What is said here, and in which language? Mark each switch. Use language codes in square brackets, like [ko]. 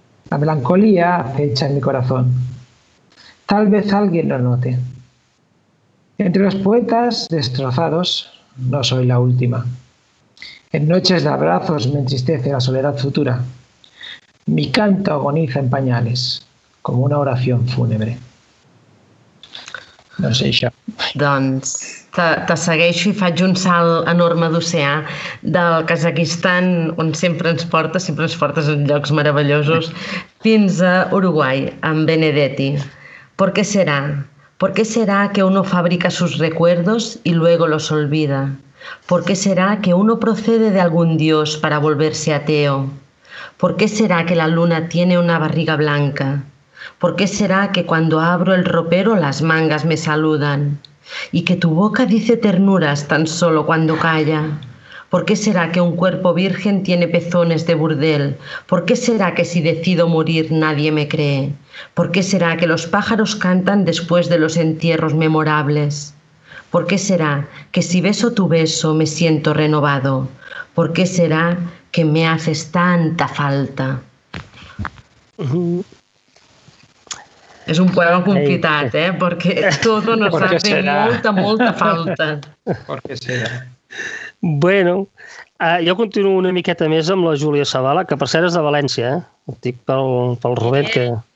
[es] La melancolía acecha en mi corazón. Tal vez alguien lo note. Entre los poetas destrozados no soy la última. En noches de abrazos me entristece la soledad futura. Mi canto agoniza en pañales como una oración fúnebre. [ca] No sé això. Doncs te segueixo i faig un salt enorme d'oceà del Kazakhstan, on sempre ens portes en llocs meravellosos, fins a Uruguai, amb Benedetti. [es] Por què serà? ¿Por qué será que uno fabrica sus recuerdos y luego los olvida? ¿Por qué será que uno procede de algún dios para volverse ateo? ¿Por qué será que la luna tiene una barriga blanca? ¿Por qué será que cuando abro el ropero las mangas me saludan? ¿Y que tu boca dice ternuras tan solo cuando calla? ¿Por qué será que un cuerpo virgen tiene pezones de burdel? ¿Por qué será que si decido morir nadie me cree? ¿Por qué será que los pájaros cantan después de los entierros memorables? ¿Por qué será que si beso tu beso me siento renovado? ¿Por qué será que me haces tanta falta? [ca] És un poema confitat, perquè tot no s'ha fet molta falta. [es] ¿Por qué será? [ca] Bueno, jo continuo una miqueta més amb la Júlia Sabala, que per cert és de València, ho dic pel Robert, que...